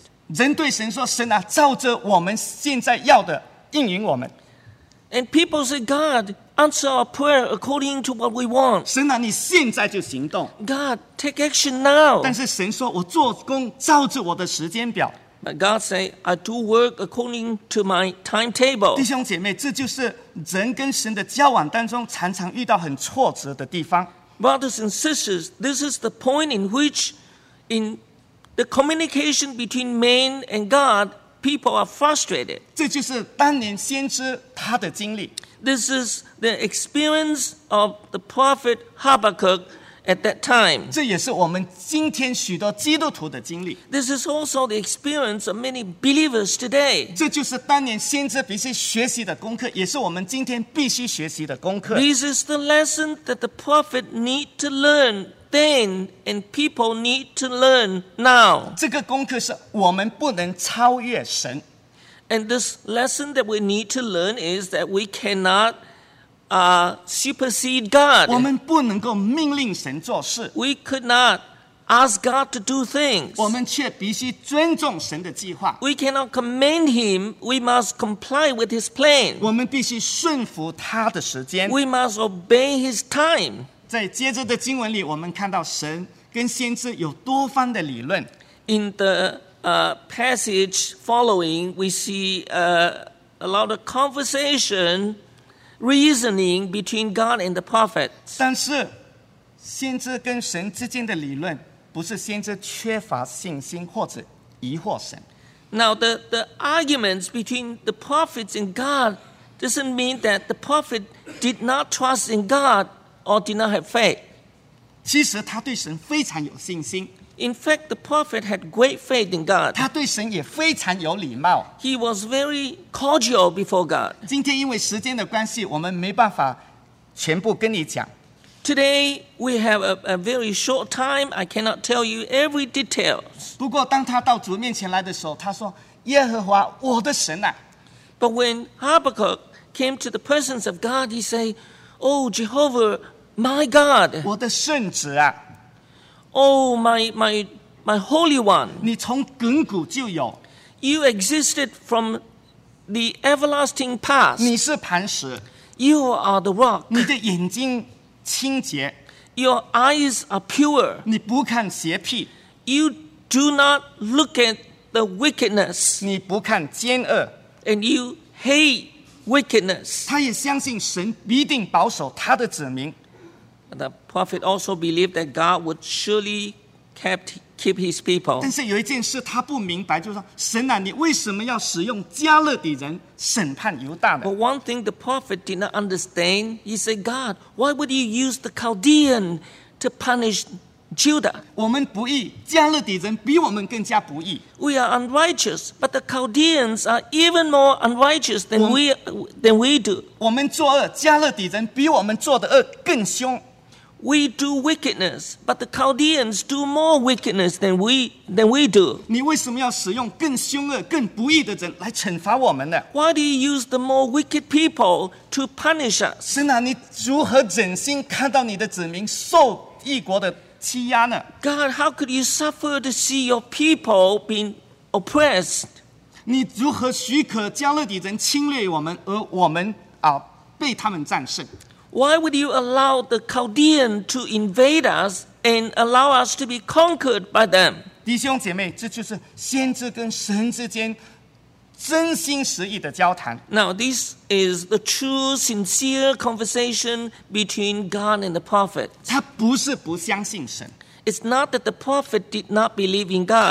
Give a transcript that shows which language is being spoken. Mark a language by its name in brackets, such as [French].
[Chinese] 人对神说：“神啊，照着我们现在要的应允我们。” [English] And people say, "God, answer our prayer according to what we want." [Chinese] 神啊，你现在就行动。 [English] God, take action now. [Chinese] 但是神说：“我做工照着我的时间表。” [English] But God say, "I do work according to my timetable." [Chinese] 弟兄姐妹，这就是人跟神的交往当中常常遇到很挫折的地方。 [English] Brothers and sisters, this is the point in which, in the communication between man and God, people are frustrated. [Chinese] 这就是当年先知他的经历。 [English] This is the experience of the prophet Habakkuk at that time. [Chinese] 这也是我们今天许多基督徒的经历。 [English] This is also the experience of many believers today. [Chinese] 这就是当年先知必须学习的功课，也是我们今天必须学习的功课。 [English] This is the lesson that the prophet need to learn then, and people need to learn now. [Chinese] 这个功课是我们不能超越神。 [English] And this lesson that we need to learn is that we cannot. Supersede God. [Chinese] 我们不能够命令神做事。 [English] We could not ask God to do things. [Chinese] 我们却必须尊重神的计划。 [English] We cannot command Him. We must comply with His plan. [Chinese] 我们必须顺服他的时间。 [English] We must obey His time. [Chinese] 在接着的经文里，我们看到神跟先知有多方的理论。 [English] In the passage following, we see a lot of conversation. Reasoning between God and the prophet. [Chinese] 但是，先知跟神之间的理论不是先知缺乏信心或者疑惑神。 [English] Now the arguments between the prophets and God doesn't mean that the prophet did not trust in God or did not have faith. [Chinese] 其实他对神非常有信心。 [English] In fact, the prophet had great faith in God. [Chinese] 他对神也非常有礼貌。 [English] He was very cordial before God. [Chinese] 今天因为时间的关系，我们没办法全部跟你讲。 [English] Today, we have a very short time. I cannot tell you every detail. [Chinese] 不过当他到主面前来的时候，他说，耶和华，我的神啊。 [English] But when Habakkuk came to the presence of God, he said, Oh, Jehovah, my God. [Chinese] 我的圣子啊。 [English] Oh, my holy one! [Chinese] 你从亘古就有。 [English] You existed from the everlasting past. [Chinese] 你是磐石。 [English] You are the rock. [Chinese] 你的眼睛清洁。 [English] Your eyes are pure. [Chinese] 你不看邪僻。 [English] You do not look at the wickedness. [Chinese] 你不看奸恶。 [English] And you hate wickedness. [Chinese] 他也相信神必定保守他的子民。 [English] The prophet also believed that God would surely keep his people. [Chinese] 但是有一件事他不明白，就是说，神啊，你为什么要使用加勒底人审判犹大呢？ [English] But one thing the prophet did not understand, he said, God, why would you use the Chaldean to punish Judah? [Chinese] 我们不义，加勒底人比我们更加不义。 [English] We are unrighteous, but the Chaldeans are even more unrighteous than we do. [Chinese] 我们作恶，加勒底人比我们做的恶更凶。 [English] We do wickedness, but the Chaldeans do more wickedness than we do. [Chinese] 你为什么要使用更凶恶、更不义的人来惩罚我们呢？ [English] Why do you use the more wicked people to punish us? [Chinese] 神啊，你如何忍心看到你的子民受异国的欺压呢？ [English] God, how could you suffer to see your people being oppressed? [Chinese] 你如何许可加勒底人侵略我们，而我们被他们战胜？ [English] Why would you allow the Chaldean to invade us and allow us to be conquered by them? [Chinese] 弟兄姐妹，这就是先知跟神之间真心实意的交谈。 [English] Now this is the true sincere conversation between God and the prophet. [Chinese] 他不是不相信神。 [English] It's not that the prophet did not believe in God.